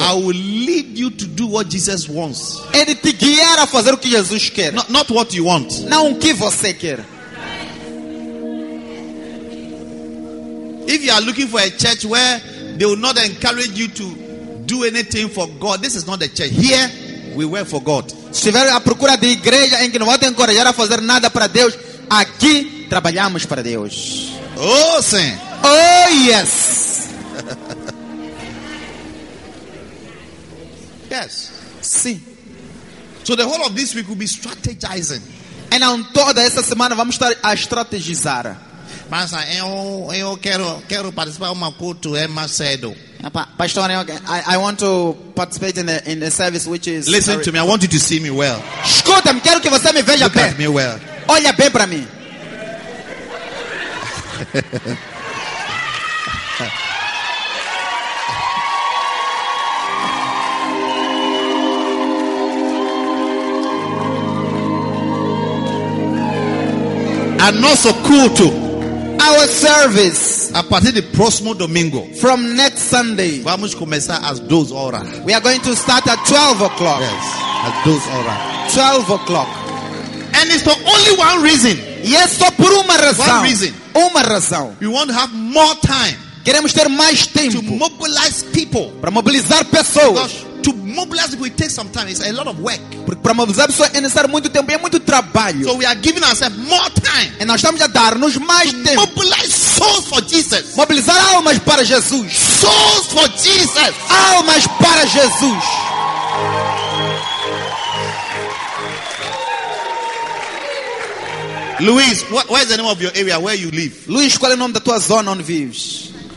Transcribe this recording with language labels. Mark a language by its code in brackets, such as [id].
[en] I will lead you to do what Jesus wants. [pt] Ele te guiará a fazer o que Jesus quer. [en] Not what you want. [pt] Não o que você quer. [en] If you are looking for a church where they will not encourage you to do anything for God, this is not the church. Here, we work for God. [pt] Se estiver à procura de igreja em que não vai te encorajar a fazer nada para Deus, aqui trabalhamos para Deus. Oh, sim. [en] Oh, yes. Yes. [pt] Sim. [en] So the whole of this week will be strategizing. [pt] E não toda essa semana vamos estar a estrategizar. Mas eu quero participar uma culto é mais cedo. [en] Pastor, I want to participate in the service which is. Listen to me. I want you to see me well. [pt] Escuta-me, quero que você me veja [en] Look [pt] bem. [en] At me well. [pt] Olha bem para mim. [en] And also culto. Our service. [pt] A partir de próximo domingo. [en] From next Sunday. [pt] Vamos começar às 12 horas. [en] We are going to start at 12 o'clock. Yes. At [pt] 12 horas. [en] 12 o'clock. And it's for only one reason. [pt] Yes, só por uma razão. [en] One reason. [pt] Uma razão. [en] We want to have more time. [pt] Queremos ter mais tempo. [en] To mobilize people. [pt] Para mobilizar pessoas. [en] Because to mobilize people, it takes some time. It's a lot of work. [pt] Porque para mobilizar pessoas é necessário muito tempo e é muito trabalho. [en] So we are giving ourselves more time. [pt] E nós estamos a dar-nos mais [en] to [pt] tempo. [en] Mobilize souls for Jesus. [pt] Mobilizar almas para Jesus. [en] Souls for Jesus. [pt] Almas para Jesus. [en] Luis, what is the name of your area where you live? [pt] Luis, qual é o nome da tua zona onde vives?